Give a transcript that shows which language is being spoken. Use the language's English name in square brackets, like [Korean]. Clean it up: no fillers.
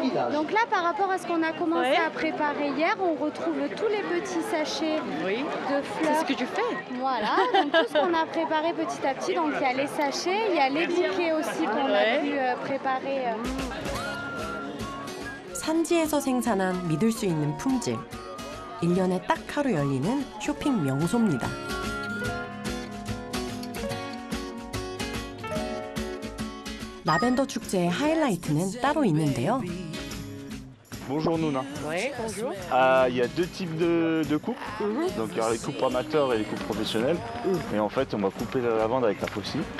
[French] Donc là par rapport à ce qu'on a commencé à préparer hier, on retrouve tous les petits sachets de fleurs. C'est ce que tu fais. Voilà, donc tout ce qu'on a préparé petit à petit, donc il y a les sachets, il y a les bouquets aussi qu'on a pu préparer. [Korean] 산지에서 생산한 믿을 수 있는 품질. 1년에 딱 하루 열리는 쇼핑 명소입니다. 라벤더 축제의 하이라이트는 따로 있는데요. [French] Bonjour Nuna. Oui, bonjour. Il y a deux types de coupes. Donc il y a les coupes amateurs et les coupes professionnelles. Et en fait, on va couper la lavande avec la faucille.